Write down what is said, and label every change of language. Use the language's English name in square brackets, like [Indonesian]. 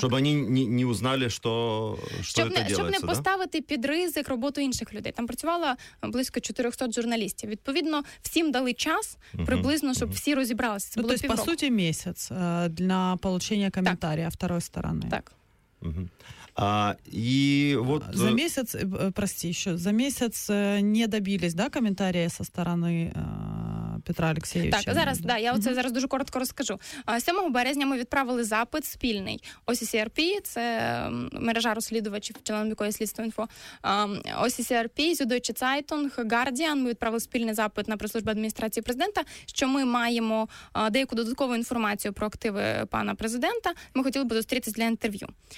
[Ukrainian] Щоб вони не узнали, що це робиться, щоб не да? поставити під ризик роботу інших людей. Там працювало близько 400 журналістів. Відповідно, всім дали час приблизно, щоб всі розібралися. Це було тобто, по суті, місяць для отримання коментарі, а второї сторони. Так. [Russian] И вот... За месяц, прости еще, за месяц не добились, да, комментария со стороны Петра Алексеевича? [Ukrainian] Так, зараз, да, я оце зараз дуже коротко розкажу. 7 березня ми відправили запит спільний OCCRP, це мережа розслідувачів, членом якої слідство інфо, OCCRP, Süddeutsche Zeitung, Guardian, ми відправили спільний запит на прес-службу адміністрації президента, що ми маємо деяку додаткову інформацію про активи пана президента, ми хотіли би зустрітися для інтерв'ю.